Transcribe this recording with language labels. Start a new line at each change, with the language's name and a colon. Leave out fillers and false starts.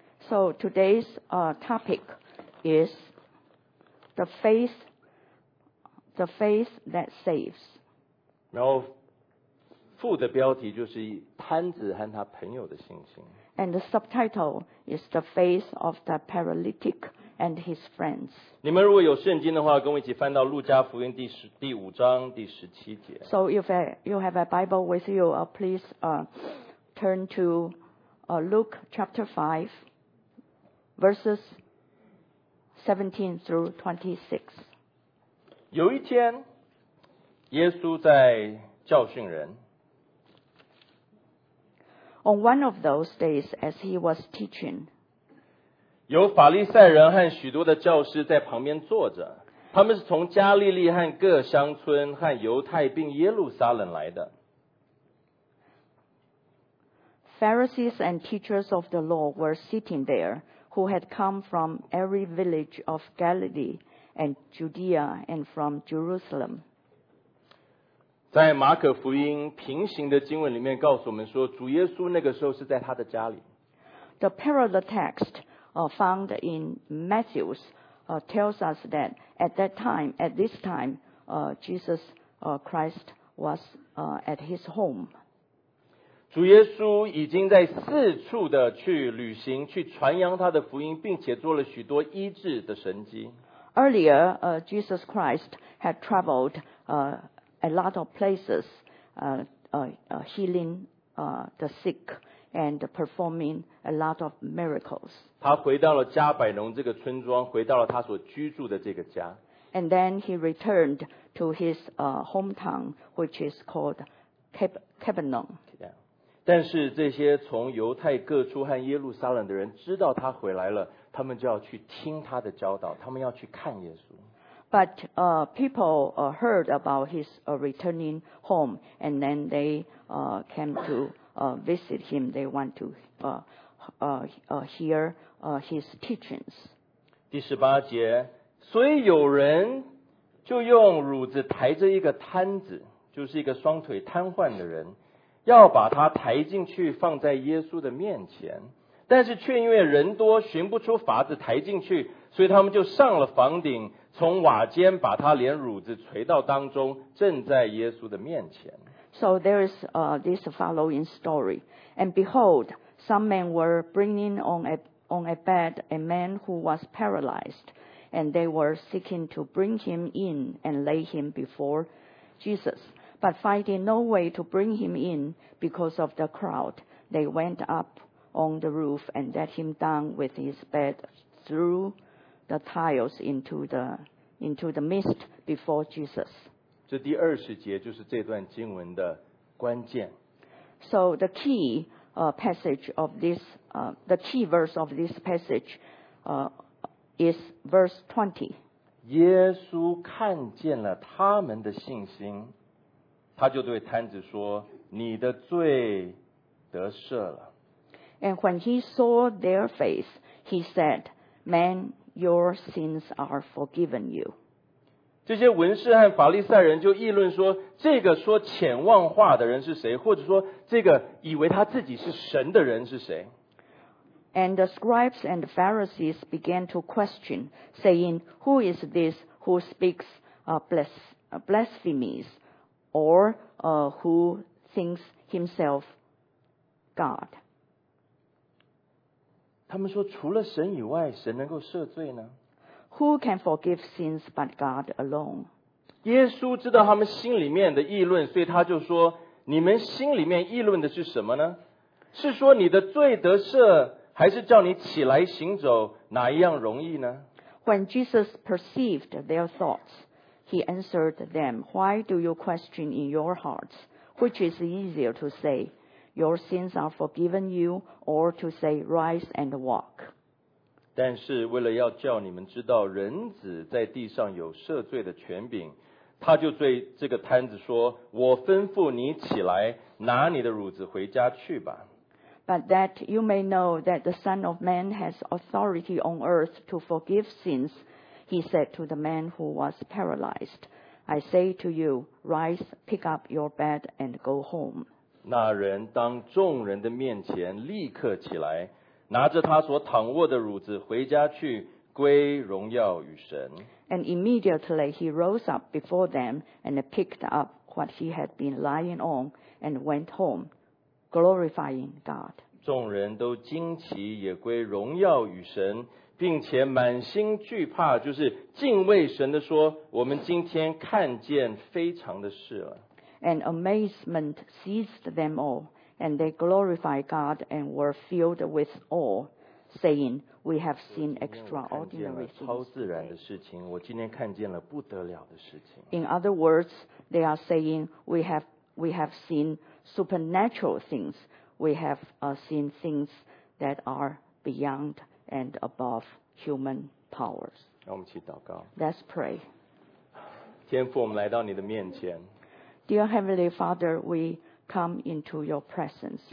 English: So today's topic is the faith that saves.
Chinese: 然后副的标题就是摊子和他朋友的信心。
English: And the subtitle is the faith of the paralytic and his friends.
Chinese: 你们如果有圣经的话，跟我一起翻到路加福音第五章第十七节。
English: So if you have a Bible with you, please turn to Luke chapter 5, verses 17 through 26.
Chinese: 有一天，耶稣在教训人。
English: On one of those days, as he was teaching,
Chinese: 有法利赛人和许多的教师在旁边坐着，他们是从加利利和各乡村和犹太并耶路撒冷来的。
English: Pharisees and teachers of the law were sitting there, who had come from every village of Galilee and Judea and from Jerusalem.
Chinese: 在马可福音平行的经文里面告诉我们说，主耶稣那个时候是在他的家里。
English: The parallel text found in Matthew tells us that at that time, at this time, Jesus Christ was at his home.
Chinese: 主耶稣已经在四处的去旅行，去传扬他的福音，并且做了许多医治的神迹。
English: Earlier, Jesus Christ had traveled. A lot of places healing the sick and performing a lot of miracles.
Chinese: 他回到了加百农这个村庄，回到了他所居住的这个家。
English: And then he returned to his hometown, which is called Capernaum.
Chinese: 但是这些从犹太各处和耶路撒冷的人知道他回来了，他们就要去听他的教导，他们要去看耶稣。
English: But people heard about his returning home, and then they came to visit him. They want to hear his teachings.
Chinese: 第十八节，所以有人就用褥子抬着一个瘫子，就是一个双腿瘫痪的人，要把他抬进去放在耶稣的面前，但是却因为人多，寻不出法子抬进去，所以他们就上了房顶。从瓦间把他连褥子垂到当中，正在耶稣的面前。
English: So there is this following story. And behold, some men were bringing on a bed a man who was paralyzed, and they were seeking to bring him in and lay him before Jesus. But finding no way to bring him in because of the crowd, they went up on the roof and let him down with his bed through. The tiles into the mist before Jesus.
Chinese: 这第二十节就是这段经文的关键。
English: So the key passage of this the key verse of this passage is verse 20.
Chinese: 耶稣看见了他们的信心，他就对瘫子说：“你的罪得赦了。”
English: And when he saw their faith, he said, "Man." Your sins are forgiven you.
Chinese: 这些文士和法利赛人就议论说，这个说浅妄话的人是谁，或者说这个以为他自己是神的人是谁。
English: And the scribes and the Pharisees began to question, saying, Who is this who speaks blasphemies, or who thinks himself God?
Chinese: 他们说除了神以外，神能够赦罪呢？
English: Who can forgive sins but God alone?
Chinese: 耶稣知道他们心里面的议论，所以他就说，你们心里面议论的是什么呢？是说你的罪得赦，还是叫你起来行走，哪一样容易呢？
English: When Jesus perceived their thoughts, he answered them, Why do you question in your hearts? Which is easier to say, Your sins are forgiven you, or to say, Rise and walk?
Chinese: 但是为了要叫你们知道人子在地上有赦罪的权柄，他就对这个摊子说，我吩咐你起来，拿你的褥子回家去吧。
English: But that you may know that the Son of Man has authority on earth to forgive sins, he said to the man who was paralyzed, I say to you, rise, pick up your bed and go home.
Chinese: 那人当众人的面前立刻起来，拿着他所躺卧的褥子回家去，归荣耀与神。
English: And immediately he rose up before them and picked up what he had been lying on and went home. Glorifying God.
Chinese: 众人都惊奇，也归荣耀与神，并且满心惧怕，就是敬畏神的说，我们今天看见非常的事了。
English: And amazement seized them all, and they glorified God and were filled with awe, saying, We have seen extraordinary things.
Chinese: 超自然的事情，我今天看见了不得了的事情。
English: In other words, they are saying, we have seen. Supernatural things, we have seen things that are beyond and above human powers.
Chinese: 让我们起祷告。
English: Let's pray.
Chinese: 天父，我们来到你的面前。
English: Dear Heavenly Father, we come into your presence.